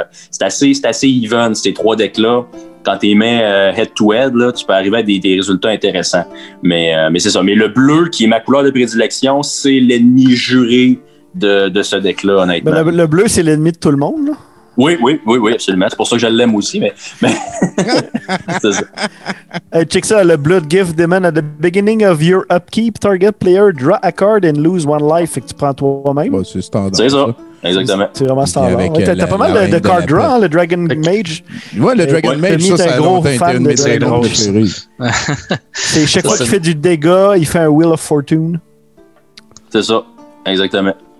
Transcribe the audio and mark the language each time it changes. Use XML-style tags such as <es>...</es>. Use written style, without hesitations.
<fr>C'est assez even, ces trois decks-là. Quand tu mets head-to-head, là, tu peux arriver à des résultats intéressants. Mais c'est ça. Mais le bleu, qui est ma couleur de prédilection, c'est l'ennemi juré de ce deck-là, honnêtement. Ben le bleu, c'est l'ennemi de tout le monde, là. Oui, absolument. C'est pour ça que je l'aime aussi. Mais... c'est ça. Hey, check ça.</fr> <en>Le Blood Gift Demon, at the beginning of your upkeep, target player, draw a card and lose one life.</en> <fr>Fait que tu prends toi-même. Bon, c'est standard. C'est ça. Exactement. C'est vraiment standard. Ouais, t'as pas mal de card draw, le Dragon Mage. Moi, le Dragon Mage, ça, c'est un gros fan de Dragon Mage. C'est chaque fois qu'il fait du dégât, il fait un Wheel of Fortune. C'est ça, exactement.</fr>